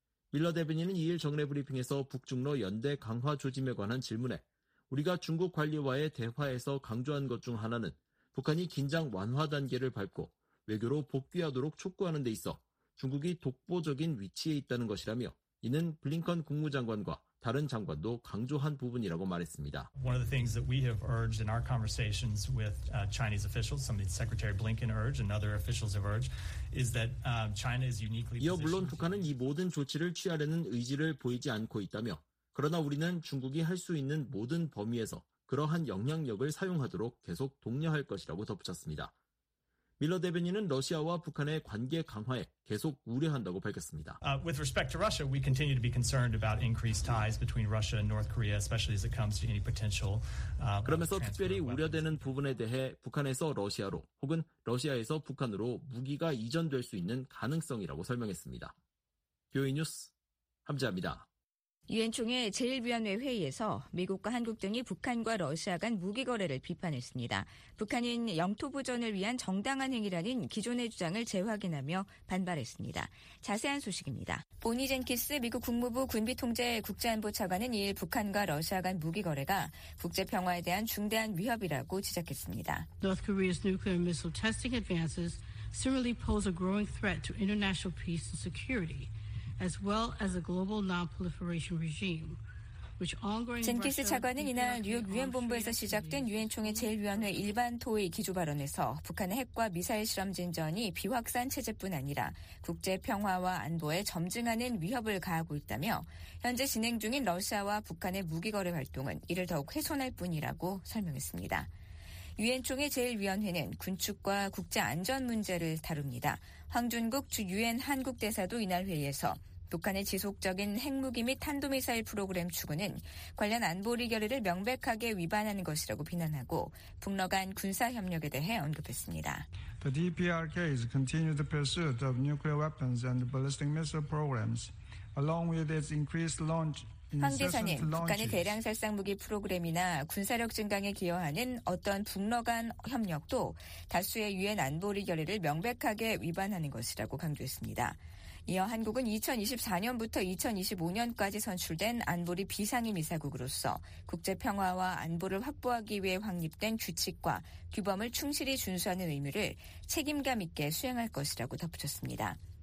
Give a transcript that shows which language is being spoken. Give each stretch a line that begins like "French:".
Korean: 밀러 대변인은 2일 정례 브리핑에서 북중러 연대 강화 조짐에 관한 질문에 우리가 중국 관리와의 대화에서 강조한 것 중 하나는 북한이 긴장 완화 단계를 밟고 외교로 복귀하도록 촉구하는 데 있어 중국이 독보적인 위치에 있다는 것이라며 이는 블링컨 국무장관과 다른 장관도 강조한 부분이라고 말했습니다.
English: One of the things that we have urged in our conversations with Chinese officials, something Secretary Blinken urged and other officials have urged, is that China is uniquely.
Korean: 이어 물론 북한은 이 모든 조치를 취하려는 의지를 보이지 않고 있다며, 그러나 우리는 중국이 할 수 있는 모든 범위에서 그러한 영향력을 사용하도록 계속 독려할 것이라고 덧붙였습니다. 밀러 대변인은 러시아와 북한의 관계 강화에 계속 우려한다고 밝혔습니다.
English: With respect to Russia, we continue to be concerned about increased ties between Russia and North Korea, especially as it comes to any potential.
Korean: 그러면서 특별히 우려되는 부분에 대해 북한에서 러시아로 혹은 러시아에서 북한으로 무기가 이전될 수 있는 가능성이라고 설명했습니다. 교회 뉴스 함재합니다. 유엔 총회 제1위원회 회의에서 미국과 한국 등이 북한과 러시아 간 무기 거래를 비판했습니다. 북한은 영토 보전을 위한 정당한 행위라는 기존의 주장을 재확인하며 반발했습니다. 자세한 소식입니다. 보니 젠키스 미국 국무부 군비통제 국제안보 차관은 이일 북한과 러시아 간 무기 거래가 국제 평화에 대한 중대한 위협이라고 지적했습니다.
English: North Korea's nuclear missile testing advances similarly pose a growing threat to international peace and security. As well as a global non-proliferation regime, which ongoing.
Korean: 젠키스 차관은 이날 뉴욕 유엔 본부에서 시작된 유엔 총회 제1위원회 일반 토의 기조 발언에서 북한의 핵과 미사일 실험 진전이 비확산 체제뿐 아니라 국제 평화와 안보에 점증하는 위협을 가하고 있다며 현재 진행 중인 러시아와 북한의 무기 거래 활동은 이를 더욱 훼손할 뿐이라고 설명했습니다. 유엔 총회 제1위원회는 군축과 국제 안전 문제를 다룹니다. 황준국 주 유엔 한국 대사도 이날 회의에서 북한의 지속적인 핵무기 및 탄도미사일 프로그램 추구는 관련 안보리 결의를 명백하게 위반하는 것이라고 비난하고 북러 간 군사 협력에 대해 언급했습니다.
English: The DPRK's continued pursuit of nuclear weapons and ballistic missile programs along with its increased launch
Korean: 황 대사님, 북한의 대량 살상무기 프로그램이나 군사력 증강에 기여하는 어떤 북러 간 협력도 다수의 유엔 안보리 결의를 명백하게 위반하는 것이라고 강조했습니다. 이어 한국은 2024년부터 2025년까지 선출된 안보리 비상임 이사국으로서 국제 평화와 안보를 확보하기 위해 확립된 규칙과 규범을 충실히 준수하는 의무를 책임감 있게 수행할 것이라고 덧붙였습니다.